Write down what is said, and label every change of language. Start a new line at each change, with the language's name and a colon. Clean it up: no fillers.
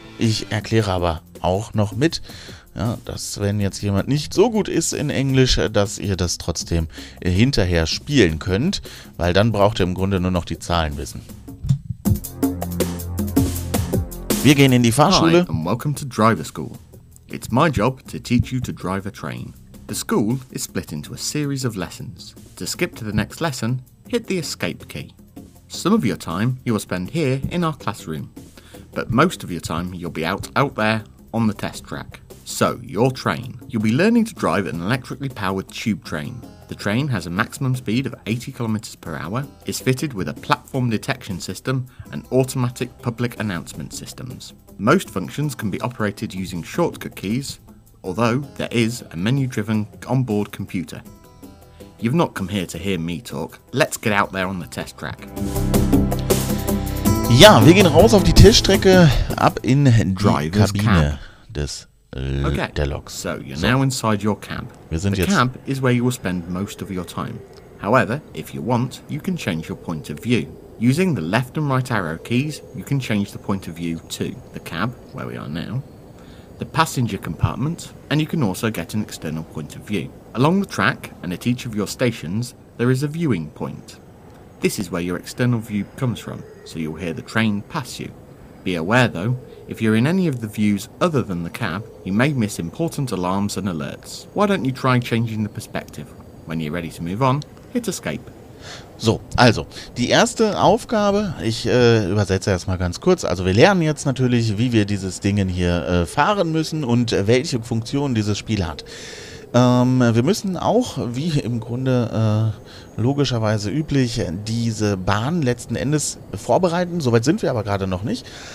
German: Ich erkläre aber auch noch mit, ja, dass wenn jetzt jemand nicht so gut ist in Englisch, dass ihr das trotzdem hinterher spielen könnt, weil dann braucht ihr im Grunde nur noch die Zahlen wissen. Wir gehen in die Fahrschule.
English: Hi, and welcome to Driver School. It's my job to teach you to drive a train. The school is split into a series of lessons. To skip to the next lesson, hit the escape key. Some of your time you will spend here in our classroom, but most of your time you'll be out there on the test track. So, your train. You'll be learning to drive an electrically powered tube train. The train has a maximum speed of 80 km per hour, is fitted with a platform detection system and automatic public announcement systems. Most functions can be operated using shortcut keys, although there is a menu-driven onboard computer. You've not come here to hear me talk. Let's get out there on the test track.
German: Ja, wir gehen raus auf die Teststrecke, ab in die Kabine des der Loks.
English: So, you're now inside your cab.
German: Wir sind
English: the cab is where you will spend most of your time. However, if you want, you can change your point of view. Using the left and right arrow keys, you can change the point of view to the cab, where we are now, the passenger compartment, and you can also get an external point of view. Along the track, and at each of your stations, there is a viewing point. This is where your external view comes from, so you'll hear the train pass you. Be aware though, if you're in any of the views other than the cab, you may miss important alarms and alerts. Why don't you try changing the perspective? When you're ready to move on, hit escape.
German: So, also, die erste Aufgabe, ich übersetze erstmal ganz kurz, also wir lernen jetzt natürlich, wie wir dieses Ding hier fahren müssen und welche Funktion dieses Spiel hat. Wir müssen auch, wie im Grunde logischerweise üblich, diese Bahn letzten Endes vorbereiten, soweit sind wir aber gerade noch nicht.